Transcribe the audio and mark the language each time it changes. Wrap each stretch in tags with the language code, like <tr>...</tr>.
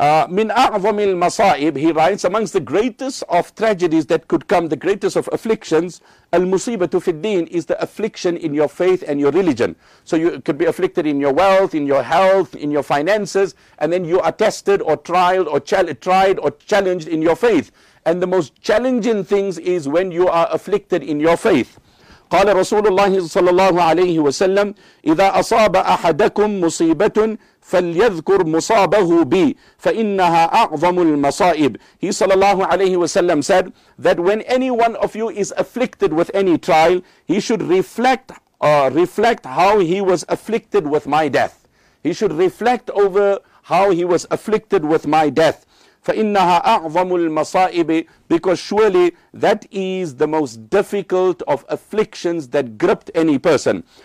<ar>Min a'zami al-masa'ib,</ar> <en>he writes, amongst the greatest of tragedies that could come, the greatest of afflictions,</en> <ar>al-musibatu fid-deen,</ar> <en>is the affliction in your faith and your religion. So you could be afflicted in your wealth, in your health, in your finances, and then you are tested or tried or challenged in your faith. And the most challenging things is when you are afflicted in your faith.</en> <ar>قال رسول الله صلى الله عليه وسلم إذا أصاب أحدكم مصيبة فليذكر مصابه بي فإنها أعظم المصائب.</ar> <en>He صلى الله عليه وسلم said that when any one of you is afflicted with any trial, he should reflect how he was afflicted with my death. He should reflect over how he was afflicted with my death.</en> <ar>فَإِنَّهَا أَعْظَمُ الْمَصَائِبِ,</ar> <en>because surely that is the most difficult of afflictions that gripped any person.</en>